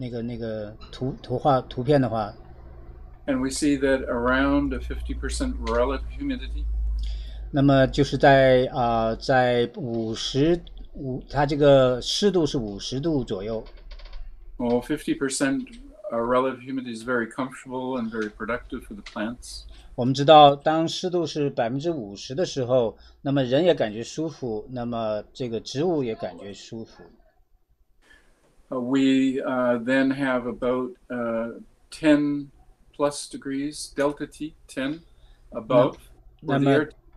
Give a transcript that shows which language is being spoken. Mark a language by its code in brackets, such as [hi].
[zh] 我们如果能够看这个熵的那个图画图片的话。 [en] And we see that around a 50% relative humidity. [zh] 那么就是在50度左右。 [en] Well, 50% relative humidity is very comfortable and very productive for the plants. [zh] 我们知道，当湿度是50%的时候， 那么人也感觉舒服， 那么这个植物也感觉舒服。 [en] We then have about 10 plus degrees, delta T, 10 above the air.